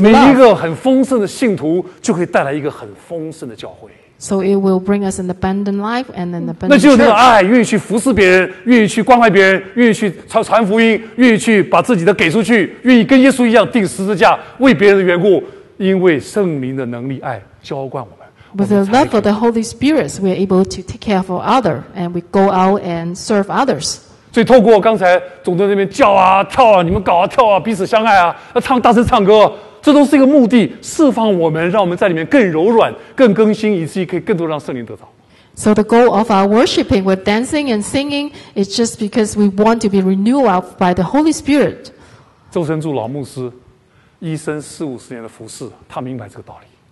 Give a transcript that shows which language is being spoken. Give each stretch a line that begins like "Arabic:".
Chinese: 那每一个很丰盛的信徒就可以带来一个很丰盛的教会。
English: So it will bring us an abundant life and an abundant church.
Chinese: 那就是那个爱，愿意去服侍别人，愿意去关怀别人，愿意去传福音，愿意去把自己的给出去，愿意跟耶稣一样钉十字架为别人的缘故，因为圣灵的能力爱浇灌我们。
English: With the love of the Holy Spirit, we are able to take care of others, and we go out and serve others.
Chinese: 所以透过刚才总在那边叫啊、跳啊、你们搞啊、跳啊、彼此相爱啊、唱大声唱歌，这都是一个目的，释放我们，让我们在里面更柔软、更更新，以至于可以更多让圣灵得到。
English: So the goal of our worshiping with dancing and singing is just because we want to be renewed by the Holy Spirit.
Chinese: 周成柱老牧师一生四五十年的服事，他明白这个道理。